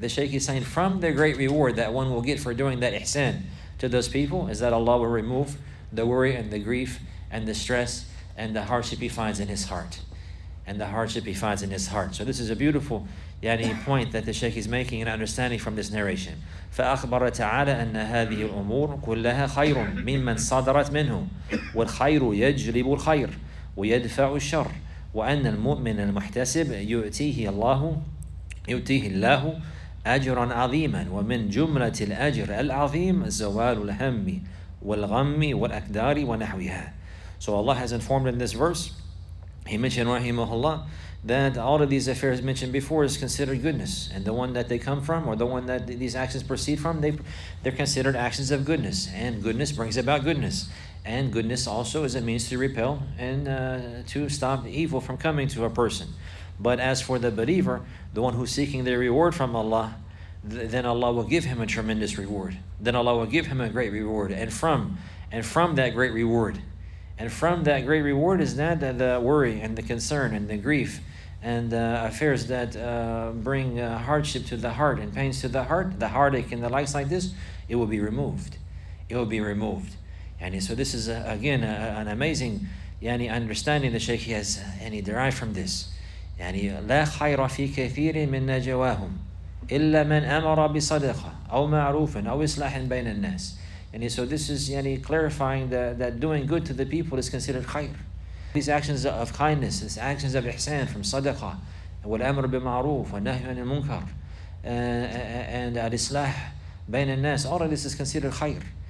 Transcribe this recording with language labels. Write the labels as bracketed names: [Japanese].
[English] The Shaykh is saying, from the great reward that one will get for doing that ihsan to those people, is that Allah will remove the worry and the grief and the stress and the hardship he finds in his heart. So this is a beautiful point that the Shaykh is making and understanding from this narration. [Arabic] فَأَخْبَرَ تَعَالَى أَنَّ هَذِهِ الْأُمُورُ كُلَّهَا خَيْرٌ مِمَّنْ صَدَرَتْ مِنْهُ وَالْخَيْرُ يَجْلِبُ الْخَيْرُ وَيَدْفَعُ الشَّرُ وَأَنَّ الْمُؤْمِنَ الْمُحْتَسِبُ يُؤْتِيهِ اللَّهُ أجرا عظيما ومن جملة الأجر العظيم زوال الهم والغم والأكدار ونحوها. [English] So Allah has informed in this verse, he mentioned rahimahullah, that all of these affairs mentioned before is considered goodness, and the one that they come from, or the one that these actions proceed from, they're considered actions of goodness, and goodness brings about goodness, and goodness also is a means to repel and to stop evil from coming to a person. But as for the believer, the one who's seeking the reward from Allah, then Allah will give him a tremendous reward. Then Allah will give him a great reward. And from that great reward, and from that great reward is that the worry and the concern and the grief and affairs that bring hardship to the heart and pains to the heart, the heartache and the likes like this, it will be removed. It will be removed. And so this is, an amazing understanding that Shaykh has derived from this. [Arabic] لا خير في كثير من نجواهم إلا من أمر بصدقة أو معروف أو إصلاح بين الناس. [English] And so this is clarifying that doing good to the people is considered khair. These actions of kindness, these actions of ihsan from [Arabic] صدقة والأمر بمعروف والنهي عن المنكر [English] and [Arabic] الإصلاح بين الناس, [English] all of this is considered khair.